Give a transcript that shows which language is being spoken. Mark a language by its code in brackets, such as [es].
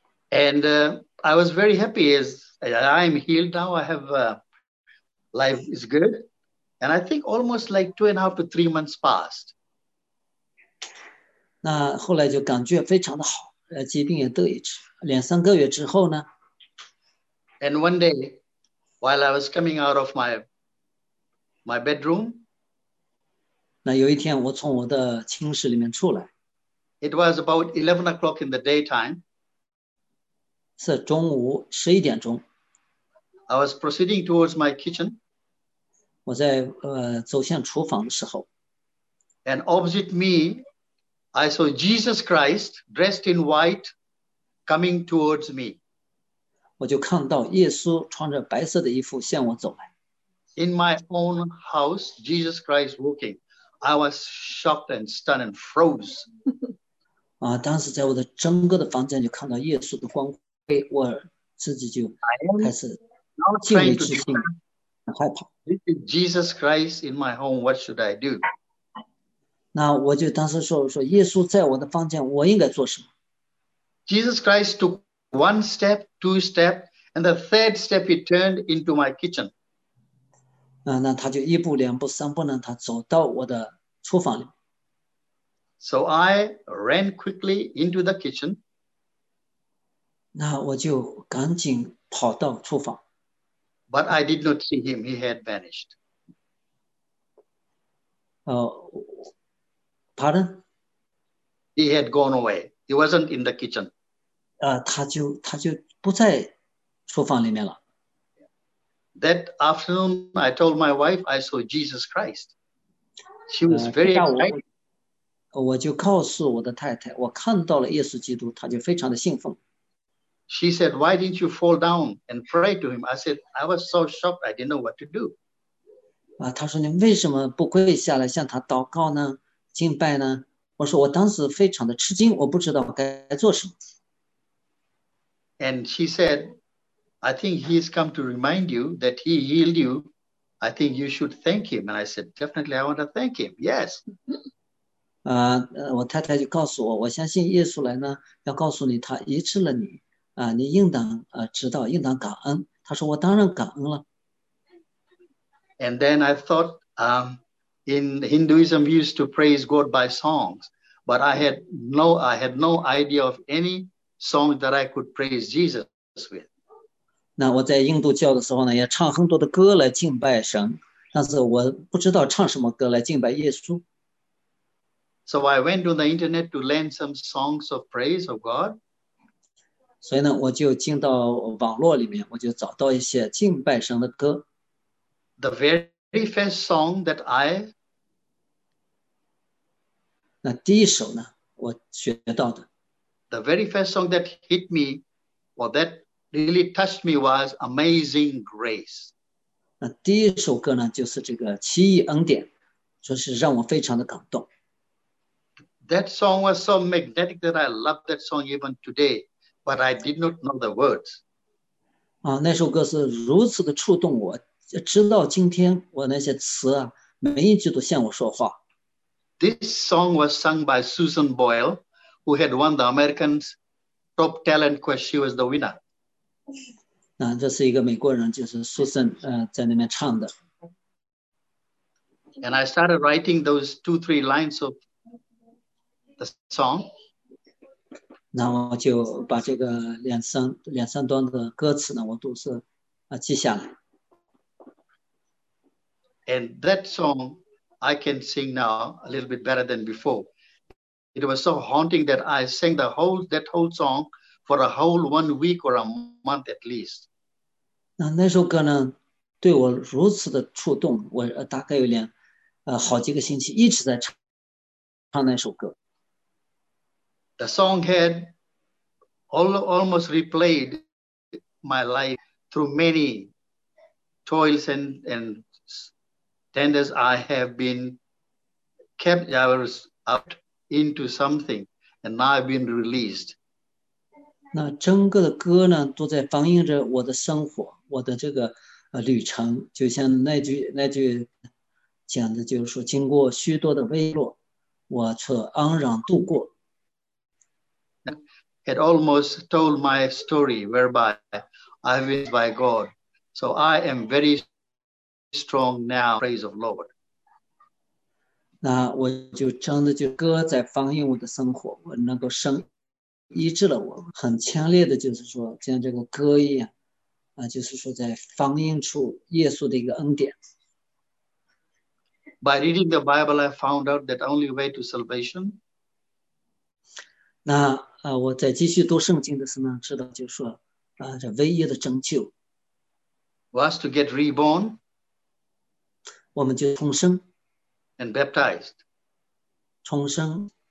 [en] And I was very happy as I am healed now. I have life is good. And I think almost like 2.5 to 3 months passed. [zh] 那后来就感觉非常的好，疾病也得医治。 2-3个月之后呢 [en] ？And one day, while I was coming out of my bedroom, [zh] 那有一天我从我的寝室里面出来。 [en] It was about 11 o'clock in the daytime. [zh] 是中午11点钟。 [en] I was proceeding towards my kitchen. [zh] 我在走向厨房的时候。 [en] And opposite me. I saw Jesus Christ dressed in white coming towards me. [zh] 我就看到耶稣穿着白色的衣服向我走来。 [en] In my own house, Jesus Christ walking. I was shocked and stunned and froze. [zh] 当时在我的整个的房间就看到耶稣的光辉，我自己就开始敬畏之心，害怕。 [en] This is Jesus Christ in my home, what should I do? [zh] 那我就当时说耶稣在我的房间，我应该做什么 [en] ？Jesus Christ took one step, two step, and the third step he turned into my kitchen. [zh] 那他就一步两步三步呢，他走到我的厨房里。 [en] So I ran quickly into the kitchen. [zh] 那我就赶紧跑到厨房。 [en] But I did not see him; he had vanished. Pardon? He had gone away. He wasn't in the kitchen. [zh] 他就不在厨房里面了。 [en] That afternoon, I told my wife I saw Jesus Christ. She was very excited. [zh] 我就告诉我的太太，我看到了耶稣基督，她就非常的兴奋。 [en] She said, "Why didn't you fall down and pray to him?" I said, "I was so shocked, I didn't know what to do." [zh] 她说你为什么不跪下来向他祷告呢？敬拜呢？我说我当时非常的吃惊，我不知道该做什么。 [en] And she said, "I think he has come to remind you that he healed you. I think you should thank him." And I said, "Definitely, I want to thank him. Yes." [zh] 我太太就告诉我，我相信耶稣来呢，要告诉你他医治了你，啊，你应当知道，应当感恩。他说我当然感恩了。 [en] And then I thought, in Hinduism, we used to praise God by songs, but I had no idea of any song that I could praise Jesus with. [zh] 那我在印度教的时候呢，也唱很多的歌来敬拜神，但是我不知道唱什么歌来敬拜耶稣。 [en] So I went to the internet to learn some songs of praise of God. [zh] 所以呢，我就进到网络里面，我就找到一些敬拜神的歌。 [en] The very first song that I [zh] 那第一首呢，我学到的。 [en] The very first song that hit me, or that really touched me, was Amazing Grace. [zh] 那第一首歌呢，就是这个奇异恩典，说是让我非常的感动。 [en] That song was so magnetic that I love that song even today, but I did not know the words. [zh] 啊，那首歌是如此的触动我，直到今天，我那些词啊，每一句都向我说话。 [en] This song was sung by Susan Boyle, who had won the American's Top Talent Quest. She was the winner. [zh] 那这是一个美国人，就是 Susan，在那边唱的。 [en] And I started writing those two, three lines of the song. [zh] 那我就把这个两三段的歌词呢，我都是记下来。 [en] And that song I can sing now a little bit better than before. It was so haunting that I sang that whole song for a whole 1 week or a month at least. [zh] 那首歌呢，对我如此的触动，我大概有点，好几个星期一直在唱那首歌。 [en] The song had almost replayed my life through many toils and tenders I have been kept hours out into something, and now I've been released. [zh] 那整个的歌呢，都在反映着我的生活，我的这个旅程。就像那句讲的，就是说，经过许多的危落，我却安然度过。 [en] It almost told my story whereby I have been by God. So I am very strong now, praise of Lord. [zh] 那我就真的就歌在反映我的生活，我能够生医治了我，很强烈的就是说，像这个歌一样，就是说在反映出耶稣的一个恩典。 [en] By reading the Bible, I found out that only way to salvation. [zh] 那我在继续读圣经的时候呢，知道就是说，这唯一的拯救 [en] was to get reborn, [zh] 我们就重生 [en] and baptized. [zh] 重生。